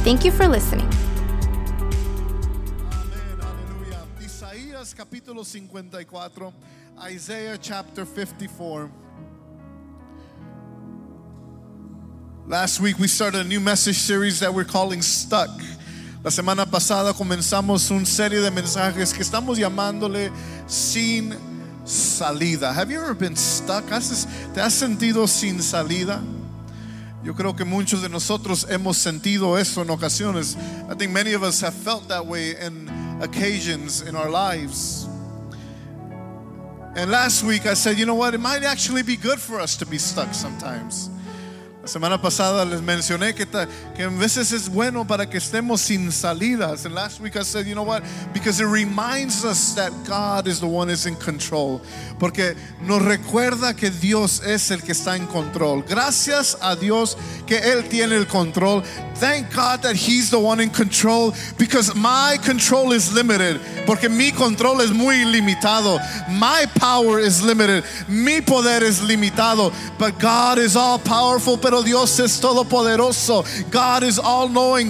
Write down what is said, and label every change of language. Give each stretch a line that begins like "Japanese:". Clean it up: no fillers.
English: Thank you for listening. Amen, hallelujah.
Spanish: Isaías capítulo 54,
English: Isaiah chapter 54. Last week we started a new message series that we're calling Stuck.
Spanish: La semana pasada comenzamos un serie de mensajes que estamos llamándole Sin Salida.
English: Have you ever been stuck?
Spanish: ¿Te has sentido sin salida? Yo creo que muchos de nosotros hemos sentido eso en ocasiones.
English: I think many of us have felt that way in occasions in our lives. And last week I said, you know what? It might actually be good for us to be stuck sometimes.
Spanish: La semana pasada les mencioné que a veces es bueno para que estemos sin salidas.
English: And last week I said, you know what? Because it reminds us that God is the one who's in control.
Spanish: Porque nos recuerda que Dios es el que está en control. Gracias a Dios que Él tiene el control.
English: Thank God that He's the one in control, because my control is limited.
Spanish: Porque mi control es muy limitado.
English: My power is limited.
Spanish: Mi poder es limitado.
English: But God is all powerful.
Spanish: Pero Dios es todopoderoso.
English: God is all knowing.